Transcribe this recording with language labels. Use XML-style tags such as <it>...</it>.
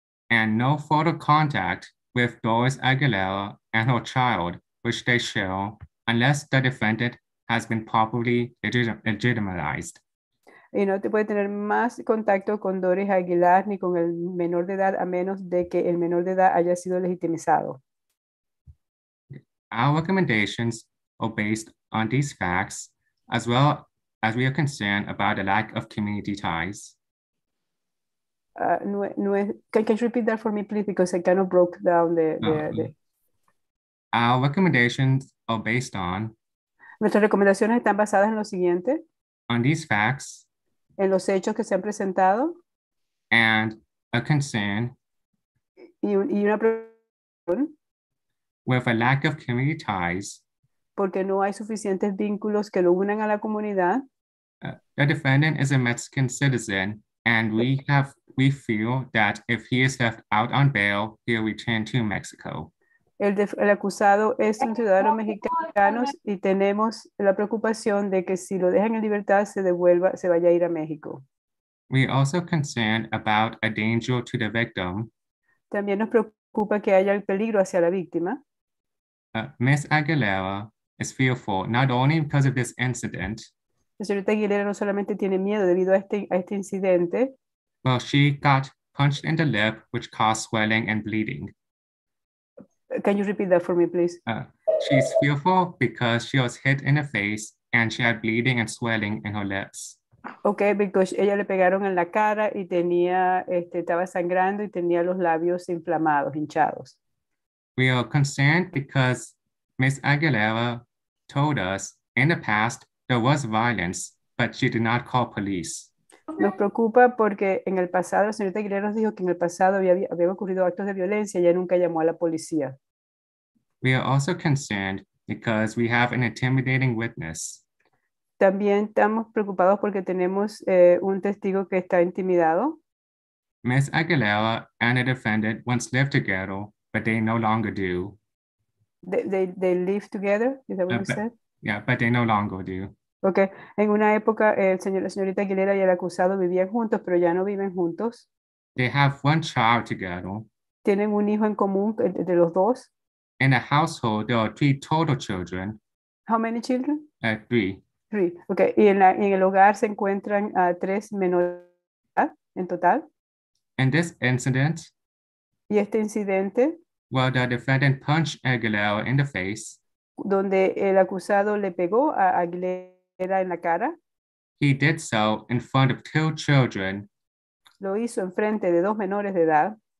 <en>And no further contact with Doris Aguilera and her child, which they share. Unless the defendant has been properly legitimized.</en> <es>Y no te puede tener más contacto con Doris Aguilar ni con el menor de edad a menos de que el menor de edad haya sido legitimizado.</es> <en>Our recommendations are based on these facts, as well as we are concerned about the lack of community ties. Can you repeat that for me, please? Because I kind of broke down Our recommendations are based on.</en> <es>Nuestras recomendaciones están basadas en lo siguiente.</es> <en>On these facts.</en> <es>En los hechos que se han presentado.</es> <en>And a concern.</en> <es>Y una preocupación.</es> <en>With a lack of community ties.</en> <es>Porque no hay suficientes vínculos que lo unan a la comunidad.</es> <en>The defendant is a Mexican citizen, and we feel that if he is left out on bail, he'll return to Mexico.</en> <es>El acusado es un ciudadano mexicano y tenemos la preocupación de que si lo dejan en libertad se vaya a ir a México.</es> <en>We also concerned about a danger to the victim.</en> <es>También nos preocupa que haya el peligro hacia la víctima.</es> <en>Ms. Aguilera is fearful not only because of this incident.</en> <es>La señorita Aguilera no solamente tiene miedo debido a este incidente.</es> <en>Well, she got punched in the lip, which caused swelling and bleeding. Can you repeat that for me, please? She's fearful because she was hit in the face and she had bleeding and swelling in her lips. Okay, because</en> <es>ella le pegaron en la cara y tenía, estaba sangrando y tenía los labios inflamados, hinchados.</es> <en>We are concerned because Ms. Aguilera told us in the past there was violence, but she did not call police.</en> <es>Nos preocupa porque en el pasado, la señorita Aguilera nos dijo que en el pasado había ocurrido actos de violencia y ella nunca llamó a la policía.</es> <en>We are also concerned because we have an intimidating witness.</en> <es>También estamos preocupados porque tenemos un testigo que está intimidado.</es> <en>Ms. Aguilera and the defendant once lived together, but they no longer do. They live together, is that what you said? Yeah, but they no longer do. Okay.</en> <es>En una época, la señorita Aguilera y el acusado vivían juntos, pero ya no viven juntos.</es> <en>They have one child together.</en> <es>Tienen un hijo en común de los dos.</es> <en>In a household, there are three total children. How many children? Three. Three. Okay.</en> <es>Y en el hogar se encuentran tres menores en total.</es> <en>In this incident.</en> <es>Y este incidente.</es> <en>Well, the defendant punched Aguilera in the face.</en> <es>Donde el acusado le pegó a Aguilera en la cara.</es> <en>He did so in front of two children.</en> <es>Lo hizo en frente de dos menores de edad.</es>